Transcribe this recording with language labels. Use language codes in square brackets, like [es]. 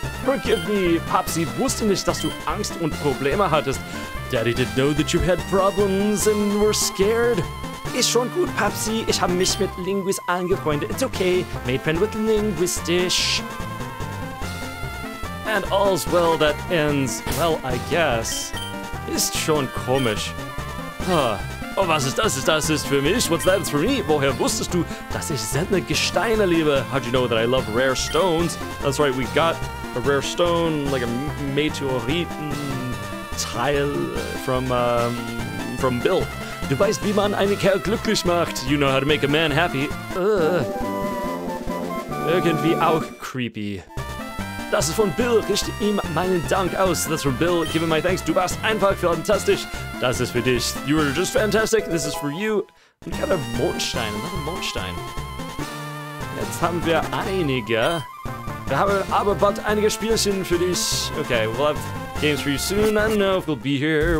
[en] Forgive me, [de] Papsi, wusste nicht, dass du Angst und Probleme hattest. [en] Daddy didn't know that you had problems and were scared. Ist schon gut, Papsi, ich habe mich mit Linguist angefreundet. It's okay, made friend with Linguistish. And all's well that ends, well, I guess. [de] Ist schon komisch. Huh. Oh, was ist das? Das ist für mich? [en] What's that? It's for me? [de] Woher wusstest du, dass ich seltene Gesteine liebe? [en] How'd you know that I love rare stones? That's right, we got a rare stone, like a meteorite tile from Bill. [de] Du weißt, wie man einen Kerl glücklich macht. [en] You know how to make a man happy. [de] Irgendwie auch creepy. Das ist von Bill. Richte ihm meinen Dank aus. [en] That's from Bill. Give him my thanks. [de] Du warst einfach fantastisch. Das ist für dich. [en] You were just fantastic. This is for you. [de] Und [en] kind of [de] Mondstein. [en] Another [de] Mondstein. Jetzt haben wir einige. Wir haben aber bald einige Spielchen für dich. [en] Okay, we'll have games for you soon. I don't know if we'll be here.